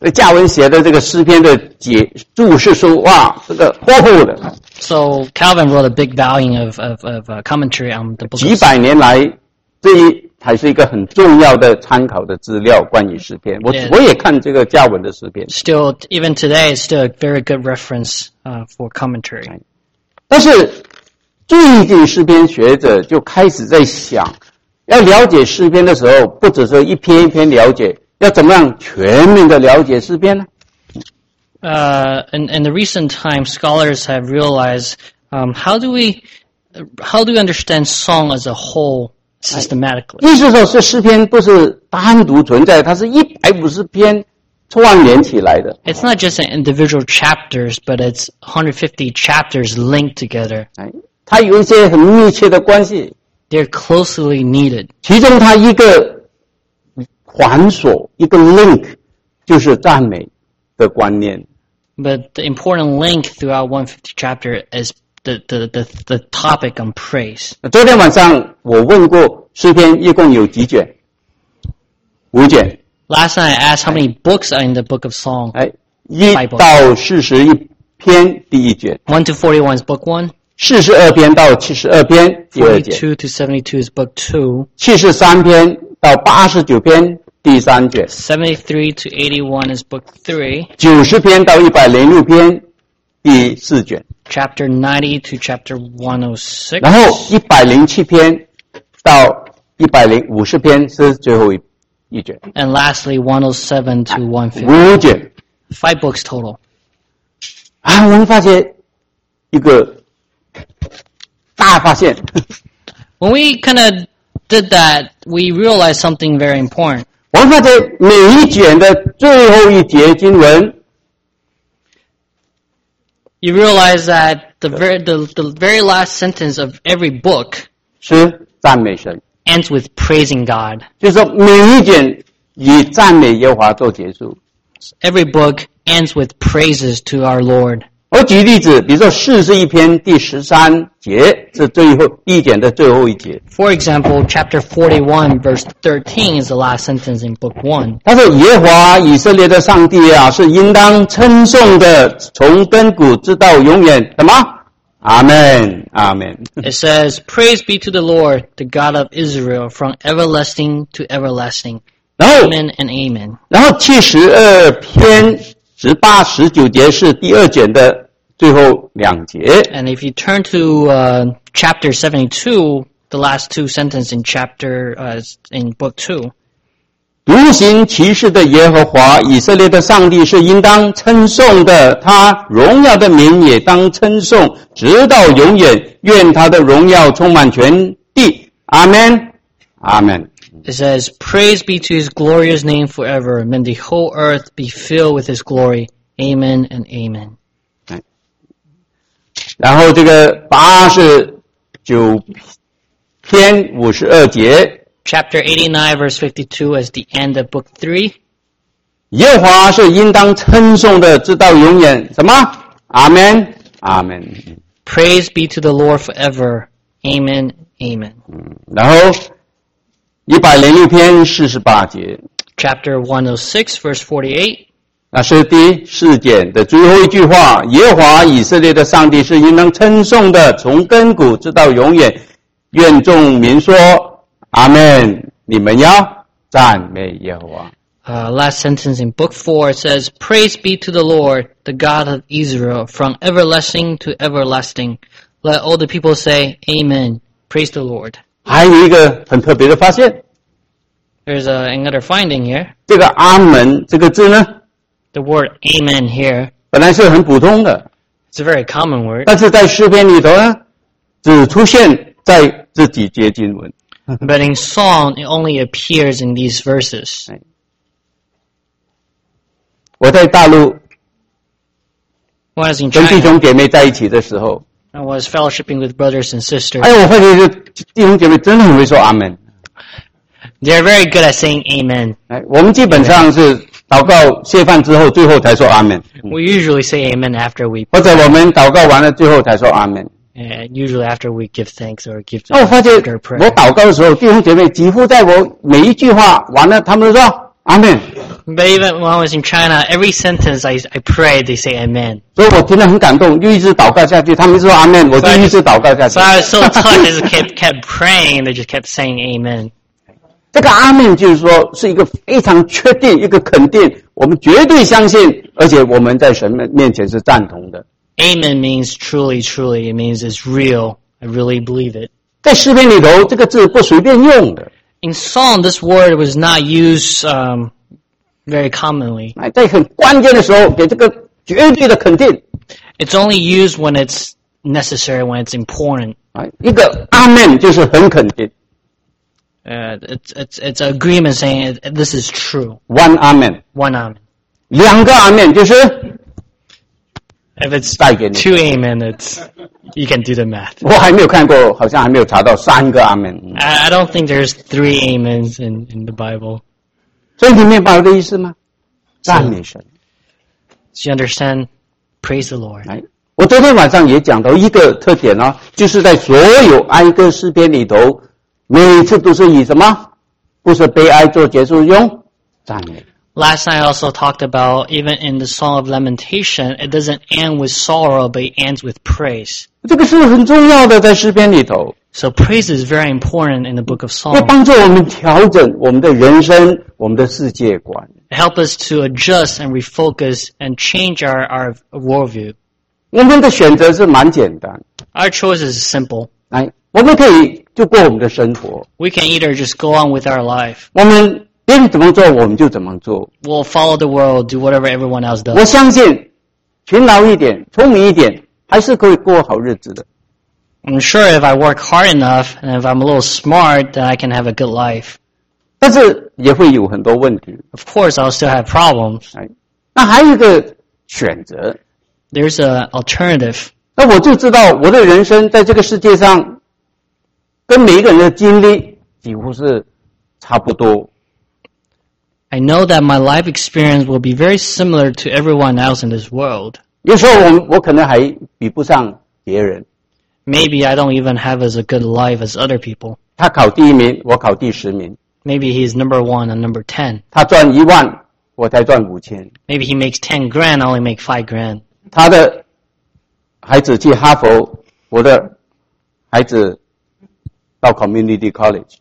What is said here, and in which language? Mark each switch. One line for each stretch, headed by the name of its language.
Chinese: 加文写的这个诗篇的解注释说，哇，这个厚厚的。
English: So Calvin wrote a big volume of a commentary on the book.
Chinese: 几百年来，这一还是一个很重要的参考的资料，关于诗篇。我也看这个加文的诗篇。
English: Still, even today, it's still a very good reference for commentary.
Chinese: 但是最近诗篇学者就开始在想。要了解诗篇的时候，不只是一篇一篇了解，要怎么样全面的了解诗篇呢？
English: In the recent time, scholars have realized, how do we understand song as a whole systematically?
Chinese: 意思说是诗篇不是单独存在，它是150篇串联起来的。
English: It's not just an individual chapters, but it's 150 chapters linked together.
Chinese: 它有一些很密切的关系。
English: They're closely needed.
Chinese: 其中它一个环锁一个 link 就是赞美的观念。
English: But the important link throughout 150 chapter is the topic on praise.
Chinese: 昨天晚上我问过诗篇一共有几卷？五卷。
English: Last night I asked how many books are in the book of song.
Chinese: 一到四十一篇第一卷。
English: 1 to 41 is book one.
Chinese: 42篇到72篇第二
English: 卷 42 to 72 is book 2
Chinese: 73篇到89篇第三卷
English: 73 to 81 is book 3
Chinese: 90篇到106篇第四卷
English: chapter 90 to chapter 106
Chinese: 然后107篇到150篇是最后一卷
English: and lastly 107 to 150
Chinese: 五卷
English: 5 books total
Chinese: 啊，我们发现一个大发现
English: When we kind of did that, we realized something very important.
Chinese: 我发现每一卷的最后一节经文
English: You realize that the very last sentence of every book
Chinese: 是赞美神
English: ends with praising God.
Chinese: 就是说每一卷以赞美耶和华做结束
English: Every book ends with praises to our Lord.
Chinese: 我举例子，比如说四十一篇第十三节是最后一卷的最后一节。
English: For example, chapter 41, verse 13 is the last sentence in book 1.
Chinese: 他说：“耶和华以色列的上帝啊，是应当称颂的，从亘古直到永远。” 什么？阿门，阿门。
English: It says, "Praise be to the Lord, the God of Israel, from everlasting to everlasting." Amen and amen.
Chinese: 然后七十二篇。十八、十九节是第二卷的最后两节。
English: And if you turn to chapter 72, the last two sentences in chapter in book 2.
Chinese: 独行其事的耶和华以色列的上帝是应当称颂的，他荣耀的名也当称颂，直到永远。愿他的荣耀充满全地。阿门，阿门。
English: It says, "Praise be to His glorious name forever. May the whole earth be filled with His glory. Amen and amen."
Chinese: 然后这个八十九篇五十二节
English: ，Chapter 89, verse 52, is the end of book 3.
Chinese: 耶和华是应当称颂的，直到永远。什么？阿门，阿门。
English: Praise be to the Lord forever. Amen, amen.
Chinese: 然后。106篇48节
English: Chapter 106 verse 48
Chinese: 那是第四卷的最后一句话耶和华以色列的上帝是应当称颂的从亘古直到永远愿众民说阿们你们要赞美耶和华
English: Last sentence in book 4 says Praise be to the Lord the God of Israel from everlasting to everlasting Let all the people say Amen Praise the Lord
Chinese: 还有一个很特别的发现。
English: There's another finding here.
Chinese: 这个阿门这个字呢
English: ？The word amen here.
Chinese: 本来是很普通的。
English: It's a very common word.
Chinese: 但是在诗篇里头呢，只出现在这几节经文。
English: But in song, it only appears in these verses.
Chinese: 我在大陆
English: When I was in China,
Chinese: 跟弟兄姐妹在一起的时候。
English: I was fellowshipping with brothers and sisters.
Chinese: 哎，我发现弟兄姐妹真的很会说阿门。
English: They are very good at saying amen.
Chinese: 哎，我们基本上是祷告谢饭之后，最后才说阿门。
English: We usually say amen after we.
Chinese: 或者我们祷告完了最后才说阿门。
English: And usually after we give thanks or give the prayer.
Chinese: 我祷告的时候，弟兄姐妹几乎在我每一句话完了，他们都说 Amen.
English: But even when I was in China, every sentence I pray, they say Amen.
Chinese: 所以我听得很感动，又一直祷告下去，他们说 Amen， 我就一直祷告下去。
English: So I was so touched, just kept praying, and they just kept saying Amen.
Chinese: 这个 Amen 就是说是一个非常确定，一个肯定，我们绝对相信，而且我们在神面前是赞同的。
English: Amen means truly, truly. It means it's real. I really believe it.
Chinese: 在诗篇里头，这个字不随便用的。
English: In Psalm, this word was not used very commonly.
Chinese: 在很关键的时候，给这个绝对的肯定。
English: It's only used when it's necessary, when it's important.
Chinese: 一个 Amen 就是很肯定。
English: It's agreement saying this is true. One Amen. One Amen.
Chinese: 两个 Amen 就是。
English: If it's two amen, you can do the math.
Chinese: 我还没有看过，好像还没有查到三个 amen。
English: I don't think there's three amens in the Bible.
Chinese: 所以你明白我的意思吗？赞美神。
English: Do you understand? Praise the Lord.
Chinese: 我昨天晚上也讲到一个特点啊，就是在所有哀歌诗篇里头，每次都是以什么？不是悲哀做结束用，赞美。
English: Last night I also talked about, even in the Song of Lamentation, it doesn't end with sorrow, but it ends with praise.
Chinese: 这个是很重要的，在诗篇里头。
English: So praise is very important in the book of Psalms.
Chinese: 要帮助我们调整我们的人生，我们的世界观。
English: Help us to adjust and refocus and change our worldview.
Chinese: 我们的选择是蛮简单。
English: Our choice is simple.
Chinese: 我们可以就过我们的生活。
English: We can either just go on with our life.
Chinese: 我们别人怎么做，我们就怎么做。
English: We'll follow the world, do whatever everyone else does.
Chinese: 我相信，勤劳一点，聪明一点，还是可以过好日子的。
English: I'm sure if I work hard enough and if I'm a little smart, then I can have a good life.
Chinese: 但是也会有很多问题。
English: Of course, I'll still have problems.
Chinese: 那还有一个选择。
English: There's an alternative.
Chinese: 那我就知道，我的人生在这个世界上，跟每一个人的经历几乎是差不多。
English: I know that my life experience will be very similar to everyone else in this world.
Chinese: 有时候我可能还比不上别人。
English: Maybe I don't even have as a good life as other people.
Chinese: 他考第一名，我考第十名。
English: Maybe he's number one and number ten.
Chinese: 他赚一万，我才赚五千。
English: Maybe he makes 10 grand, I only make 5 grand.
Chinese: 他的孩子去哈佛，我的孩子到
English: community college.